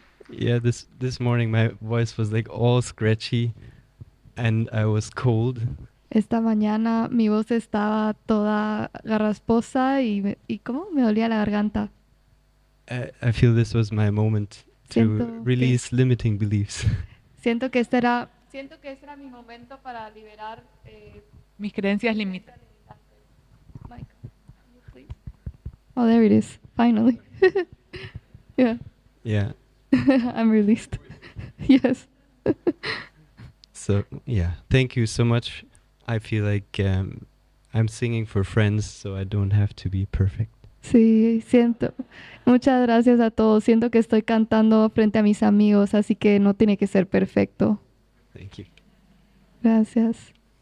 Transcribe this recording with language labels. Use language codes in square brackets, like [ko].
[en] Yeah, this morning my voice was like all scratchy and I was cold. [es] Esta mañana mi voz estaba toda garrasposa y como me dolía la garganta. [en] I feel this was my moment to release limiting beliefs. [es] Siento que este era mi momento para liberar mis creencias limitantes. [en] Oh, there it is. Finally. Yeah. Yeah. I'm released. Yes. So, yeah. Thank you so much. I feel like I'm singing for friends, so I don't have to be perfect. [es] Sí, siento. Muchas gracias a todos. Siento que estoy cantando frente a mis amigos, así que no tiene que ser perfecto. [en] Thank you. [es] Gracias.